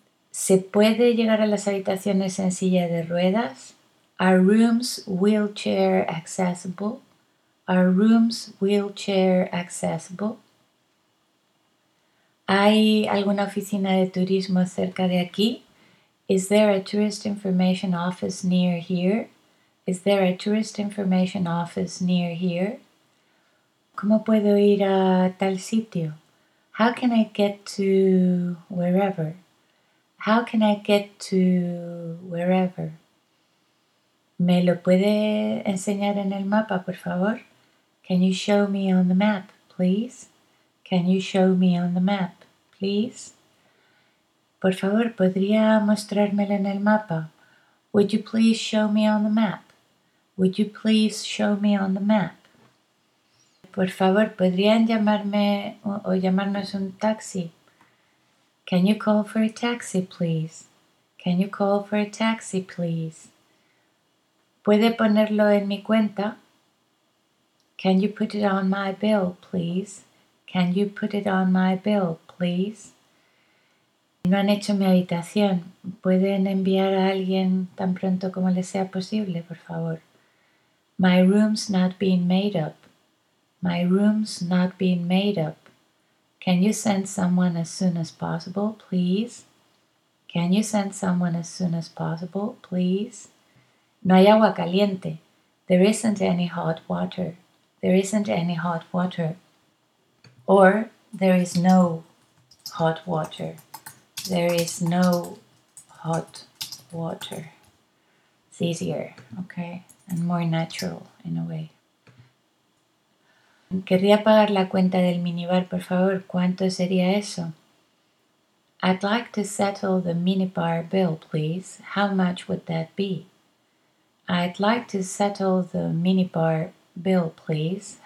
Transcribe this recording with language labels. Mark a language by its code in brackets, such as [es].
[es] ¿Se puede llegar a las habitaciones en silla de ruedas? [en] Are rooms wheelchair accessible? Are rooms wheelchair accessible? [es] ¿Hay alguna oficina de turismo cerca de aquí? [en] Is there a tourist information office near here? Is there a tourist information office near here? [es] ¿Cómo puedo ir a tal sitio? How can I get to wherever? [en] How can I get to wherever? [es] ¿Me lo puede enseñar en el mapa, por favor? [en] Can you show me on the map, please? Can you show me on the map, please? Por favor, ¿podría mostrármelo en el mapa? Would you please show me on the map? Would you please show me on the map? [es] por favor, ¿podrían llamarme o llamarnos un taxi? [en] Can you call for a taxi, please? Can you call for a taxi, please? [es] ¿Puede ponerlo en mi cuenta? [en] Can you put it on my bill, please? Can you put it on my bill, please? [es] No han hecho mi habitación. ¿Pueden enviar a alguien tan pronto como les sea posible, por favor? [en] My room's not being made up. My room's not being made up. Can you send someone as soon as possible, please? Can you send someone as soon as possible, please? No hay agua caliente. There isn't any hot water. There isn't any hot water. Or there is no hot water. There is no hot water. It's easier, okay? And more natural in a way. [es] Querría pagar la cuenta del minibar, por favor. ¿Cuánto sería eso? [en] I'd like to settle the minibar bill, please. How much would that be? I'd like to settle the minibar bill, please.